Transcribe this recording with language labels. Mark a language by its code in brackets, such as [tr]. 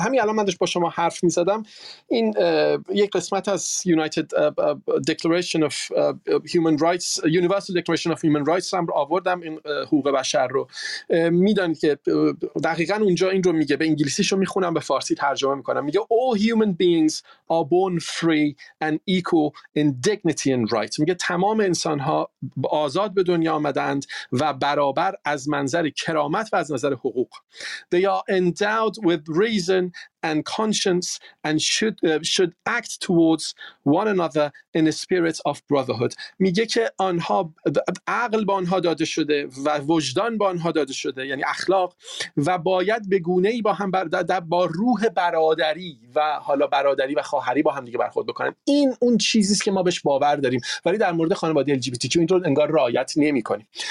[fa] همین الان من داشت با شما حرف میزدم، این یک قسمت از United Declaration of Human Rights، Universal Declaration of Human Rights هم آوردم، این حقوق بشر رو میدانید که دقیقا اونجا این رو میگه، به انگلیسیش رو میخونم به فارسی ترجمه میکنم، میگه [en] All human beings are born free and equal in dignity and rights. [fa] میگه تمام انسان ها آزاد به دنیا آمدند و برابر از منظر کرامت و از نظر حقوق. [en] They are endowed with reason and conscience and should act towards one another in a spirit of brotherhood. [fa] میگه که آنها عقل با آنها داده شده و وجدان با آنها داده شده، یعنی اخلاق، و باید به گونه ای با هم با روح برادری و حالا برادری و خواهری با هم دیگه برخورد بکنن. این اون چیزیست که ما بهش باور داریم، ولی در مورد خانواده ال جی بی تی کیو اینطور انگار رعایت نمی کنیم.